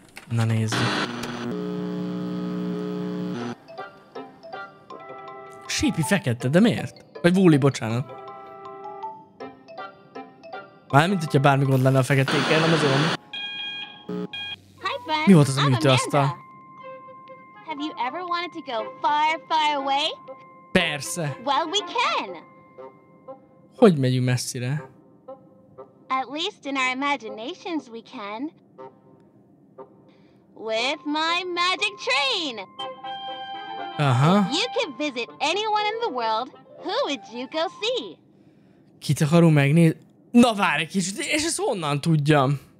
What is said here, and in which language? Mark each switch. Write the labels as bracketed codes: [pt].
[hu] Na nézzük. Sípi fekete, de miért? Vagy Wooly, bocsánat. Már mint hogyha bármi gond lenne a feketékkel, nem az olyan. Mi volt az a műtőasztal? [en] Have you ever wanted to go far, far away? [hu] Persze. [en] Well, we can. [hu] Hogy megyünk messzire? [en] At least in our imaginations we can. With my magic train. Aha. If you could visit anyone in the world, who would you go see? [hu] Kit akarunk megnézni? Na várj egy kicsit, és ezt honnan tudjam?